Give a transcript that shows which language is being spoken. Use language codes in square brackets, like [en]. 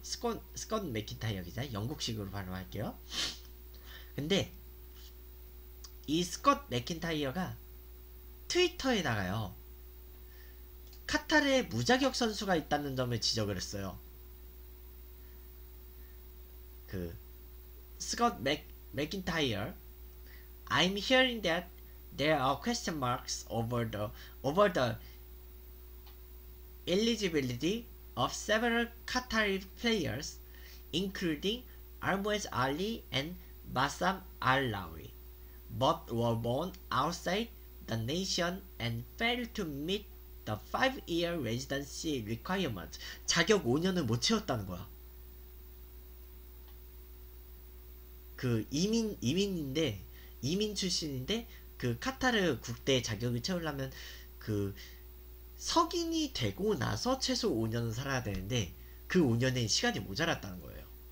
[ko] 스콧 맥킨타이어 기자, 영국식으로 발음할게요. 근데 이 스콧 맥킨타이어가 트위터에다가요, 카타르에 무자격 선수가 있다는 점을 지적을 했어요. [en] 그 스콧 맥킨타이어, I'm hearing that there are question marks over the eligibility of several Qatari players, including Almaz Ali and Massam Alawi, but were born outside the nation and failed to meet the 5-year residency requirement. [ko] 자격 5년을 못 채웠다는 거야. 그 이민인데, 이민 출신인데, 그 카타르 국대 자격을 채우려면 그 석인이 되고 나서 최소 5년은 살아야 되는데, 그 5년에 시간이 모자랐다는 거예요.